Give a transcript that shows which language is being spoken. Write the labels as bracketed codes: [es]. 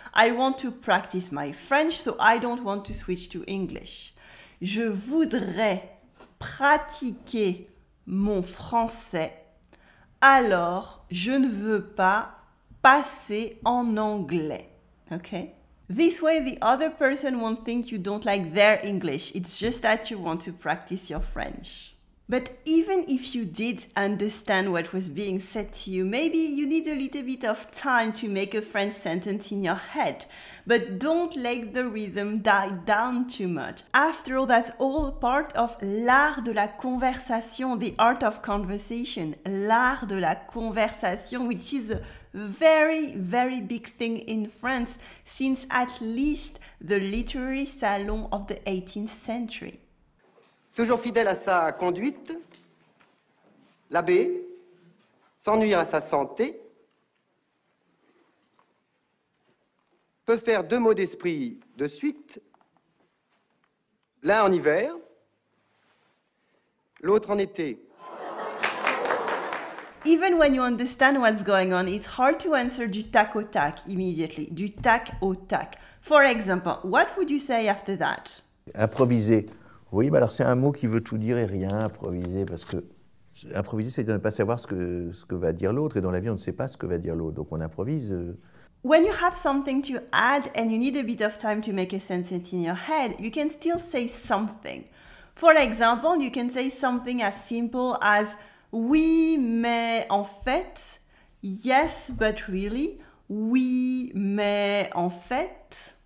[en] I want to practice my French, so I don't want to switch to English. [fr] Je voudrais pratiquer mon français, alors je ne veux pas passer en anglais. [en] Okay? This way, the other person won't think you don't like their English. It's just that you want to practice your French. But even if you did understand what was being said to you, maybe you need a little bit of time to make a French sentence in your head. But don't let the rhythm die down too much. After all, that's all part of [fr] l'art de la conversation, [en] the art of conversation. [fr] L'art de la conversation, [en] which is a very, very big thing in France since at least the literary salon of the 18th century. [fr] Toujours fidèle à sa conduite, l'abbé, sans nuire à sa santé, peut faire deux mots d'esprit de suite, l'un en hiver, l'autre en été. [en] Even when you understand what's going on, it's hard to answer [fr] du tac au tac [en] immediately, du tac au tac. For example, what would you say after that? [fr] Improviser. Oui, bah alors c'est un mot qui veut tout dire et rien, improviser, parce que improviser, c'est de ne pas savoir ce que va dire l'autre, et dans la vie, on ne sait pas ce que va dire l'autre, donc on improvise. [en] When you have something to add and you need a bit of time to make a sentence in your head, you can still say something. For example, you can say something as simple as [fr] oui, mais en fait, [en] yes, but really, oui, mais en fait.